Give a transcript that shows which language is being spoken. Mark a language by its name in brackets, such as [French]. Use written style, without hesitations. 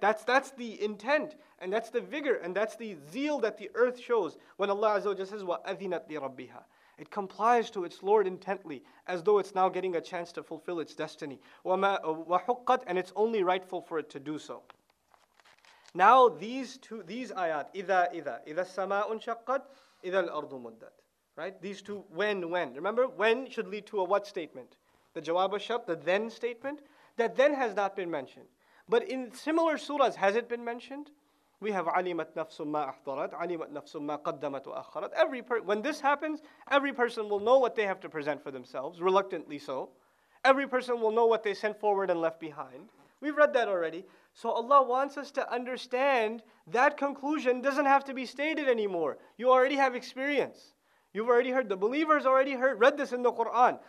[English] That's the intent, and that's the vigor, and that's the zeal that the earth shows when Allah Azza wa Jalla says, [Arabic] وَأَذِنَتْ لِرَبِّهَا. [English] It complies to its Lord intently, as though it's now getting a chance to fulfill its destiny. وَحُقَّتْ, and it's only rightful for it to do so. Now these ayat, [Arabic] إِذَا السَّمَاءٌ شَقَّتْ, إِذَا الْأَرْضُ مُدَّتْ. [English] Right? These two, when. Remember, when should lead to a what statement? The jawab al-shart, the then statement? That then has not been mentioned. But in similar surahs, has it been mentioned? We have [Arabic] عَلِمَتْ نَفْسٌ مَا أَحْضَرَتْ, عَلِمَتْ نَفْسٌ مَا قَدَّمَتْ وَأَخَّرَتْ. [English] When this happens, every person will know what they have to present for themselves, reluctantly so. Every person will know what they sent forward and left behind. We've read that already. So Allah wants us to understand that conclusion doesn't have to be stated anymore. You already have experience. You've already heard. The believers already heard, read this in the Quran.